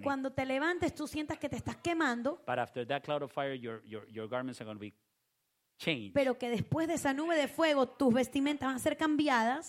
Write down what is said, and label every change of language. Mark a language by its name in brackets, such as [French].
[Spanish] que cuando te levantes tú sientas que te estás quemando, [English] but after that cloud of fire your garments are going to be changed. [Spanish] Pero que después de esa nube de fuego tus vestimentas van a ser cambiadas.